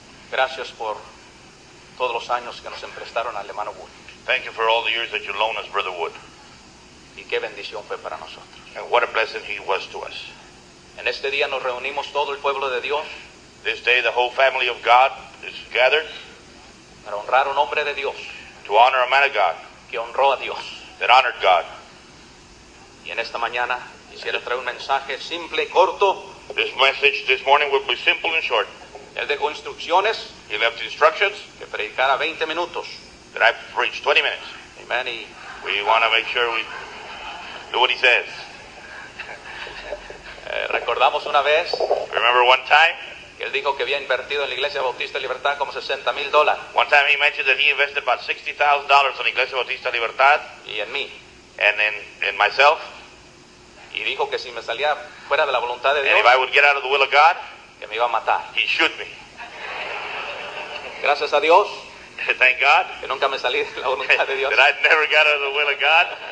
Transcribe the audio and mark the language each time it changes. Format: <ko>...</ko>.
<es>Gracias por todos los años que nos emprestaron al hermano Wood.</es> <en>Thank you for all the years that you loaned us, Brother Wood.</en> <es>Y qué bendición fue para nosotros.</es> <en>And what a blessing he was to us.</en> <es>En este día nos reunimos todo el pueblo de Dios.</es> <en>This day the whole family of God is gathered.</en> <es>Para honrar un hombre de Dios.</es> <en>To honor a man of God.</en> <es>Que honró a Dios.</es> <en>That honored God.</en> <es>Y en esta mañana quisiera traer un mensaje simple y corto.</es> <en>This message this morning will be simple and short.</en> <es>Él dejó instrucciones.</es> <en>He left instructions.</en> <es>Que predicara 20 minutos.</es> <en>That I preach 20 minutes.</en> <es>Amen. Y,</es> <en>we want to make sure we do what he says.</en> <es>Recordamos una vez.</es> <en>Remember one time.</en> <es>Que él dijo que había invertido en la Iglesia Bautista Libertad como $60,000.</es> <en>One time he mentioned that he invested about $60,000 in la Iglesia Bautista Libertad.</en> <es>Y en mí.</es> <en>And in myself.</en> <es>Y dijo que si me salía fuera de la voluntad de Dios,</es> <en>and if I would get out of the will of God,</en> <es>que me iba a matar.</es> <en>He'd shoot me.</en> <es>Gracias a Dios.</es> <en>Thank God.</en> <es>Que nunca me salí de la voluntad de Dios.</es> <en>That I never got out of the will of God.</en>